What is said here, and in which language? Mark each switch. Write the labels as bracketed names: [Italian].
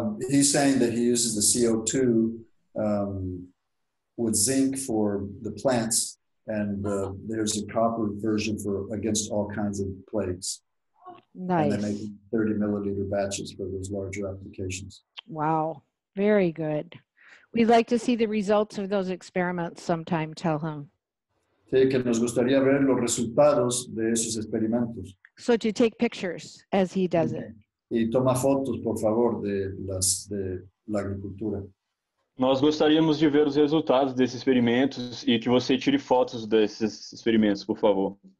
[English] He's saying that he uses the CO2 with zinc for the plants, and there's a copper version for against all kinds of plagues. Nice. And they're making 30 milliliter batches for those larger applications. Wow. Very good. We'd like to see the results of those experiments sometime, tell him. [Spanish] Sí, que nos gustaría ver los resultados de esos experimentos. [English] So to take pictures as he does it. [Spanish] Y toma fotos, por favor, de la agricultura. [Portuguese] Nós gostaríamos de ver os resultados desses experimentos e que você tire fotos desses experimentos, por favor.